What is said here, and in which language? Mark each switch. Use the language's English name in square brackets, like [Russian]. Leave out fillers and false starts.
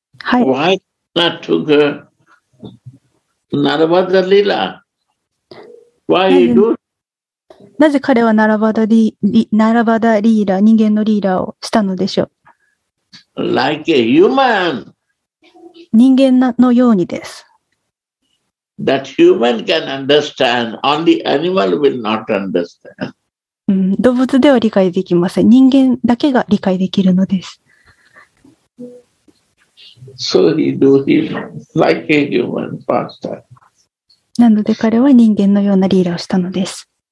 [English] Why not to go Naravada Lila? Why you do? [Japanese] なぜ彼はナラバダリーラ、人間のリーラーをしたのでしょう [English] Like a human. [Japanese] 人間のようにです。 [English] That human can understand, only animal will not understand. [Japanese] 動物では理解できません。人間だけが理解できるのです。 [English] So he do his like a human pastor. [Japanese] なので彼は人間のようなリーラーをしたのです。